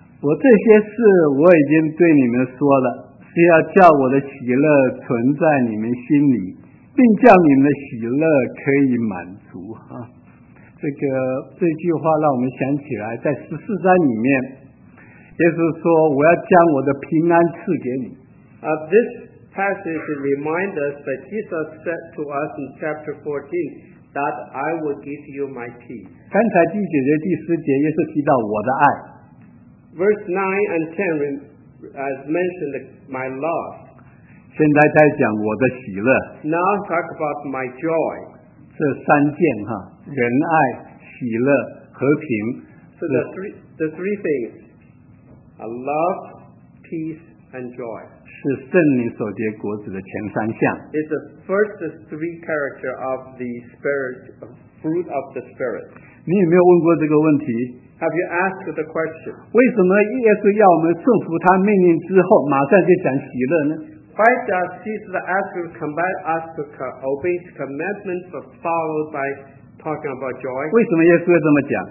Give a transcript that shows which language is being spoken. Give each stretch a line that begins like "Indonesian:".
Chinese: 我这些事我已经对你们说了，是要叫我的喜乐存在你们心里，并叫你们的喜乐可以满足。这句话让我们想起来，在十四章里面，耶稣说，我要将我的平安赐给你。
English: This passage reminds us that Jesus said to us in chapter 14 that I will give you my peace.
Chinese: 刚才第九节第十节也是提到我的爱。
English: Verse 9 and 10 has mentioned my love.
Chinese: 现在在讲我的喜乐。
English: Now talk about my joy.
Chinese: 这三件哈，仁爱、喜乐、和平。
English: So the three things, love, peace,And joy.
Chinese: 是圣灵所结果子的前三项。
English: It's the first three character of the spirit, fruit of the spirit.
Chinese: 你有没有问过这个问题？
English: Have you asked the question?
Chinese: 为什么耶稣要我们顺服他命令之后，马上就讲喜乐呢？
English: Why does Jesus ask us to command us to obey his commandments, followed by talking about joy?
Chinese: 为什么耶稣会这么讲？